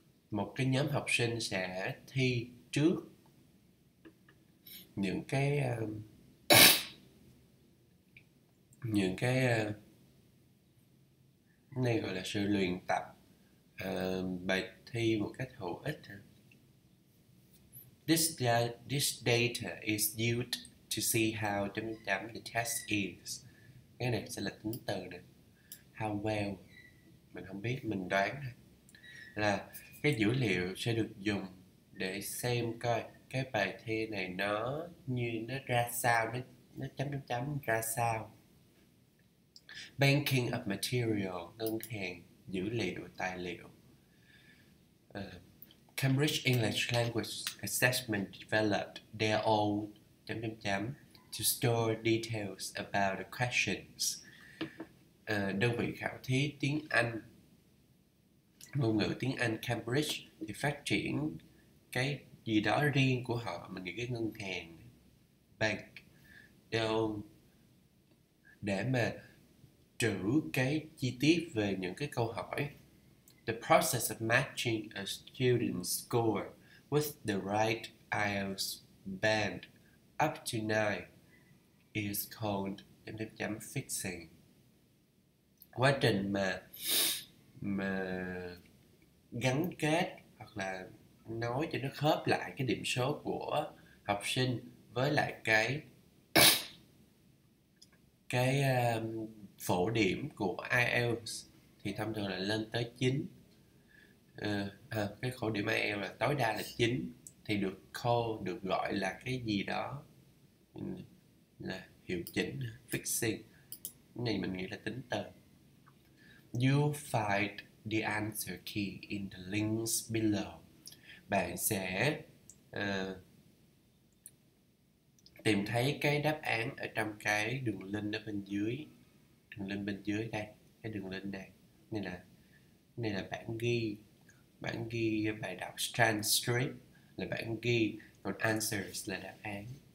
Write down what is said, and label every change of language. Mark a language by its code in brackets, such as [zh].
[vi] Một cái nhóm học sinh sẽ thi trước những cái những cái này gọi là sự luyện tập bài thi một cách hữu ích. [en] This data is used to see how the test is. [vi] Cái này sẽ là tính từ này. How well, mình không biết, mình đoán này. Là cái dữ liệu sẽ được dùng để xem coi cái bài thi này nó như nó ra sao, nó chấm chấm chấm ra sao. Banking of material, ngân hàng dữ liệu, tài liệu. [en] Cambridge English Language Assessment developed their own chấm chấm chấm to store details about the questions. [vi] Đơn vị khảo thí tiếng Anh, ngôn ngữ tiếng Anh Cambridge thì phát triển cái gì đó riêng của họ, mình nghĩ cái ngân hàng bank để mà trữ cái chi tiết về những cái câu hỏi. [en] The process of matching a student's score with the right IELTS band up to 9 is called fixing. [vi] Quá trình mà gắn kết hoặc là nói cho nó khớp lại cái điểm số của học sinh với lại cái phổ điểm của IELTS thì thông thường là lên tới 9. Cái phổ điểm IELTS là tối đa là 9 thì được call, được gọi là cái gì đó là hiệu chỉnh, fixing. Cái này mình nghĩ là tính từ. [en] You find the answer key in the links below. [vi] Bạn sẽ tìm thấy cái đáp án ở trong cái đường link ở bên dưới. Đường link bên dưới đây, cái đường link này. Này là bản ghi bài đọc transcript là bản ghi, còn answers là đáp án.